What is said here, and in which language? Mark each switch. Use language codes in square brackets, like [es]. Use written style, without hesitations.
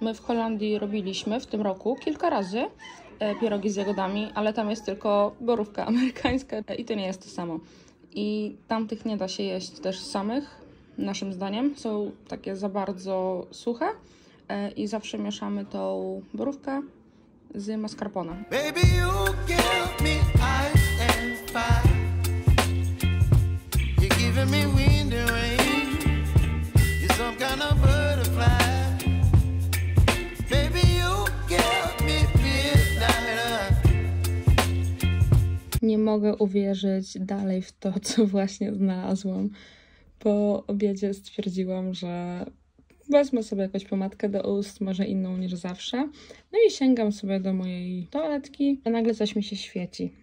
[pl] My w Holandii robiliśmy w tym roku kilka razy pierogi z jagodami, ale tam jest tylko borówka amerykańska i to nie jest to samo. I tamtych nie da się jeść też samych, naszym zdaniem. Są takie za bardzo suche i zawsze mieszamy tą borówkę z mascarpone. [en] Baby, you give me ice and fire. You're giving me wind and rain. You're some kind of butterfly. Baby, you give me midnight. [pl] Nie mogę uwierzyć dalej w to, co właśnie znalazłam. Po obiedzie stwierdziłam, że wezmę sobie jakąś pomadkę do ust, może inną niż zawsze. No i sięgam sobie do mojej toaletki, a nagle coś mi się świeci.